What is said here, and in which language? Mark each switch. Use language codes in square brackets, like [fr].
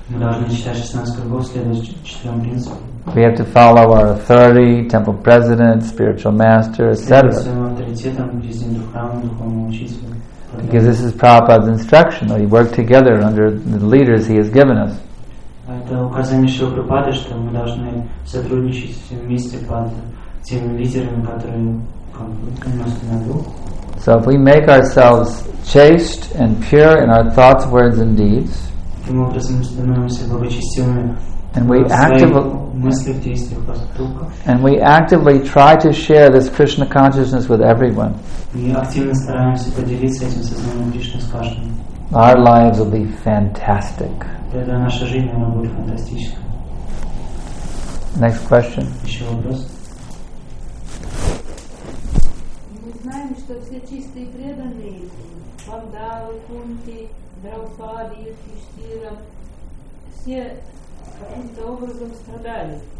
[en] We have to follow our authority, temple president, spiritual master, etc. Because this is Prabhupada's instruction, that we work together under the leaders he has given us. [ru] Это указание Шрилы Прабхупады, что мы должны сотрудничать все вместе под теми лидерами, которые носят на дух. [en] So if we make ourselves chaste and pure in our thoughts, words, and deeds, [ru] таким образом мы становимся благочестивыми, [en] and we actively [ru] мысли в действиях поступках, [en] and we actively try to share this Krishna consciousness with everyone, [ru] мы активно стараемся поделиться этим сознанием Кришны с каждым. [en] Our lives will be fantastic. [ru] Тогда наша жизнь, она будет фантастической. [en] Next question. [ru] Еще вопрос. Мы знаем, что все чистые преданные, Пандавы, Кунти, Драупади, Юдхиштхира, все каким-то образом страдали.